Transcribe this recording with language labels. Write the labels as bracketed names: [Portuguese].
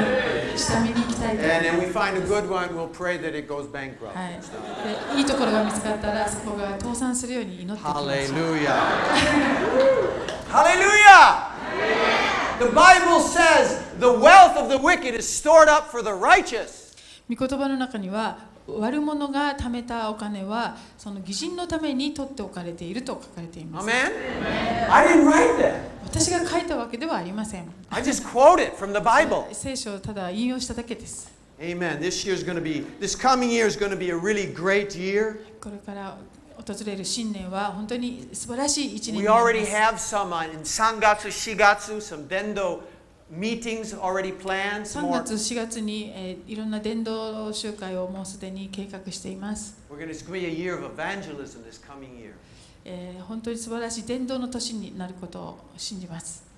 [English] And if we find a good one, we'll pray that it goes bankrupt. [Japanese] いいところが見つかったらそこが倒産するように祈ってください。 [English] Hallelujah! Hallelujah! The Bible says the wealth of the wicked is stored up for the righteous. [Japanese] 御言葉の中には悪者が貯めたお金はその義人のために取っておかれていると書かれています。 [English] Amen. I didn't write that. [Japanese] 私が書いたわけではありません。 [English] I just quote it from the Bible. [Japanese] 聖書をただ引用しただけです。 [English] Amen. This coming year is going to be a really great year. [Japanese] これから訪れる新年は本当に素晴らしい一年です。 [English] We already have some in 3月、4月 some 伝道。 Meetings already planned. [Japanese] 3月4月に、いろんな伝道集会をもうすでに計画しています。 [English] It's going to be a year of evangelism this coming year. [Japanese] 本当に素晴らしい伝道の年になることを信じます。